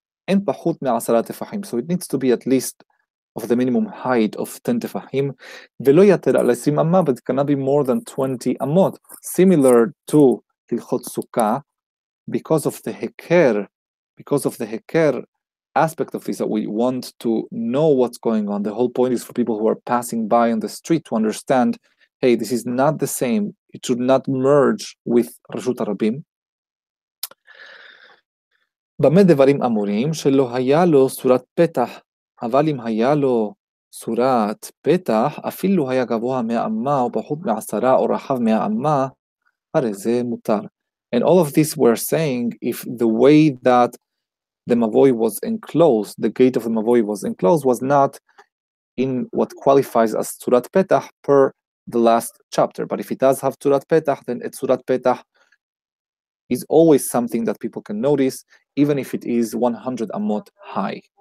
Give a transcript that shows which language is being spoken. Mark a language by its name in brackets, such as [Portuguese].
[English] So it needs to be at least of the minimum height of 10 tefahim, but it cannot be more than 20 amot, similar to Hilchot Sukkah, because of the heker aspect of this, that we want to know what's going on. The whole point is for people who are passing by on the street to understand, hey, this is not the same, it should not merge with Rashut Arabim. [Hebrew] במה דברים אמורים שלא היה לו סורת פתח, אבל אם היה לו סורת פתח, אפילו היה גבוה מהאמה או פחות מעשרה או רחב מהאמה, הרי זה מותר. [English] And all of this we're saying, if the way that the Mavoi was enclosed, the gate of the Mavoi was enclosed, was not in what qualifies as surat petah per the last chapter. But if it does have surat petah, then it's surat petah is always something that people can notice, even if it is 100 amot high.